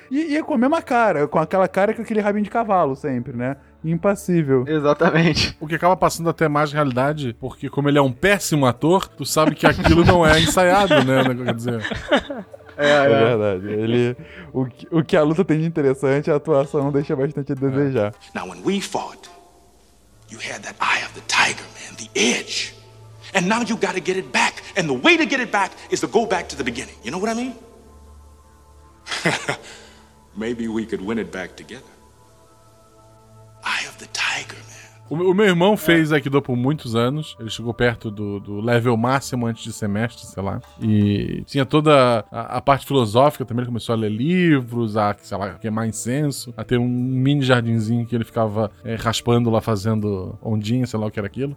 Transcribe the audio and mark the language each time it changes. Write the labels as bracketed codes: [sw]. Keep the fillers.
[pt] E, e é com a mesma cara, com aquela cara que aquele rabinho de cavalo sempre, né? Impassível. Exatamente. O que acaba passando até mais realidade, porque como ele é um péssimo ator, tu sabe que aquilo não é ensaiado, né? Quer dizer. É, é. verdade. Ele, o, que- o que a luta tem de interessante, a atuação deixa bastante a desejar. [en] Now, when we fought, you had that eye of the tiger, man, the edge. And now you got to get it back. And the way to get it back is to go back to the beginning. You know what I mean? Maybe we could win it back together. Eye of the tiger, [pt] O, o meu irmão fez Aikido por muitos anos. Ele chegou perto do, do level máximo antes de semestre, sei lá. E tinha toda a, a parte filosófica também. Ele começou a ler livros, a, sei lá, queimar incenso, a ter um mini jardinzinho que ele ficava eh, raspando lá, fazendo ondinha, sei lá o que era aquilo.